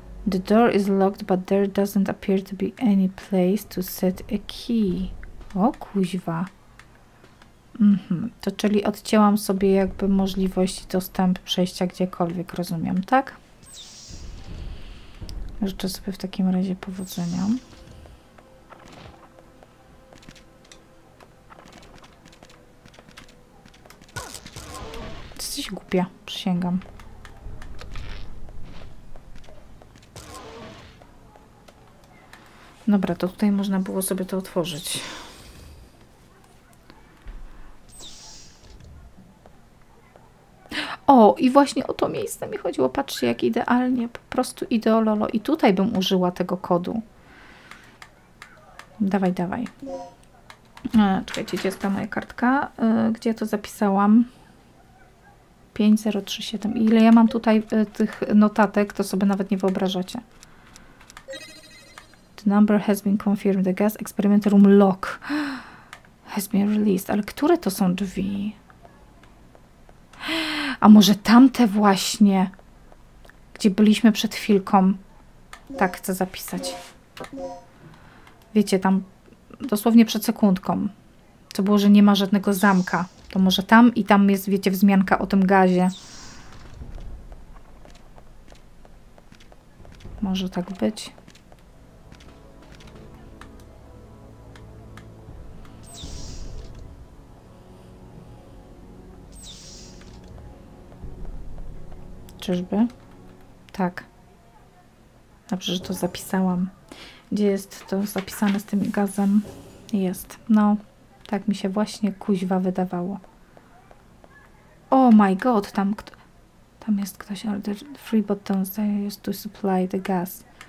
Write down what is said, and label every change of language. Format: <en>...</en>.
<en>The door is locked, but there doesn't appear to be any place to set a key.</en> <pl>O, kuźwa. To czyli odcięłam sobie jakby możliwość dostępu przejścia gdziekolwiek, rozumiem, tak? Życzę sobie w takim razie powodzenia. Jesteś głupia, przysięgam. Dobra, to tutaj można było sobie to otworzyć. O, i właśnie o to miejsce mi chodziło. Patrzcie, jak idealnie, po prostu ideololo. I tutaj bym użyła tego kodu. Dawaj, dawaj. Czekajcie, gdzie jest ta moja kartka? Gdzie to zapisałam? 5037. I ile ja mam tutaj tych notatek, to sobie nawet nie wyobrażacie.</pl> <en>The number has been confirmed. The gas experiment room lock has been released.</en> <pl>Ale które to są drzwi? A może tamte właśnie, gdzie byliśmy przed chwilką? Tak, chcę zapisać. Wiecie, tam dosłownie przed sekundką. Co było, że nie ma żadnego zamka. To może tam i tam jest, wiecie, wzmianka o tym gazie. Może tak być. Czyżby? Tak. Dobrze, że to zapisałam. Gdzie jest to zapisane z tym gazem? Jest. No, tak mi się właśnie kuźwa wydawało.</pl> <en>Oh my god,</en> <pl>tam tam jest ktoś.</pl> <en>The three buttons they used to supply the gas.</en>